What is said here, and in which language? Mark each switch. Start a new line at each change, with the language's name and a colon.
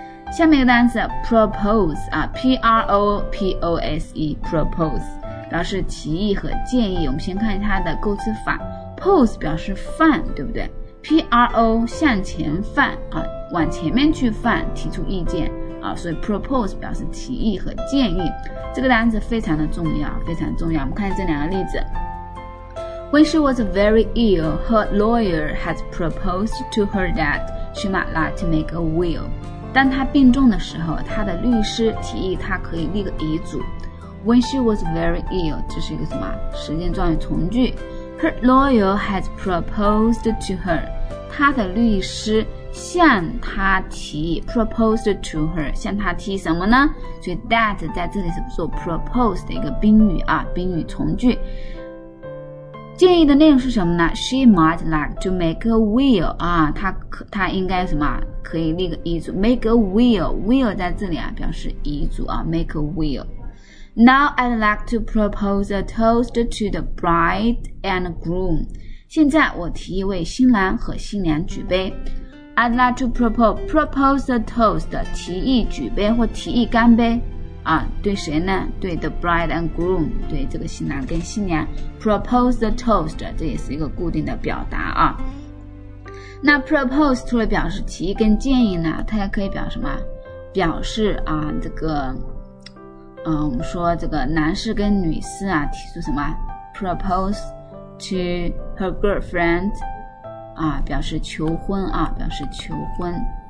Chinese: 下面一个单词 propose 啊， P-R-O-P-O-S-E propose 表示提议和建议。我们先看它的构词法， pose 表示犯对不对， P-R-O 向前犯啊，往前面去犯，提出意见啊，所以 propose 表示提议和建议，这个单词非常的重要，非常重要。我们看这两个例子，
English: When she was very ill, her lawyer had proposed to her that she might not to make a will.
Chinese: 当她病重的时候，她的律师提议她可以立个遗嘱。
English: When she was very ill,
Chinese: 这是一个什么？时间状语从句。
English: Her lawyer had proposed to her.
Chinese: 她的律师向她提议
English: proposed to her.
Chinese: 向她提什么呢？所以 that 在这里是做 propose 的一个宾语啊，宾语从句。建议的内容是什么呢？
English: She might like to make a will
Chinese: 啊，她应该什么，可以立个遗嘱， make a will， will 在这里啊表示遗嘱啊， make a will。
English: Now I'd like to propose a toast to the bride and groom，
Chinese: 现在我提议为新郎和新娘举杯。
English: I'd like to propose a toast，
Chinese: 提议举杯或提议干杯啊，对谁呢？对
English: the bride and groom，
Chinese: 对这个新郎跟新娘。propose the toast， 这也是一个固定的表达啊。那 propose 除了表示提议跟建议呢，它也可以表什么，表示啊这个我们说这个男士跟女士啊提出什么，
English: propose to her girlfriend
Chinese: 啊，表示求婚啊，表示求婚。